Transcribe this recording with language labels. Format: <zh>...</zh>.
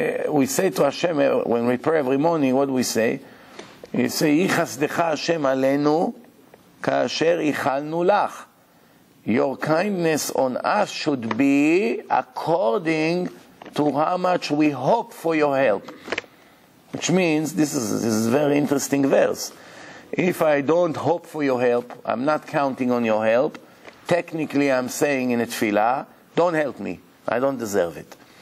<en>We say to Hashem, when we pray every morning, what do we say?</en> <he>יסי חסדך השם עלינו כאשר יחלנו לך.</he> <en>Your kindness on us should be according to how much we hope for your help. Which means, this is a very interesting verse. If I don't hope for your help, I'm not counting on your help, technically I'm saying in a tefillah, don't help me, I don't deserve it.</en>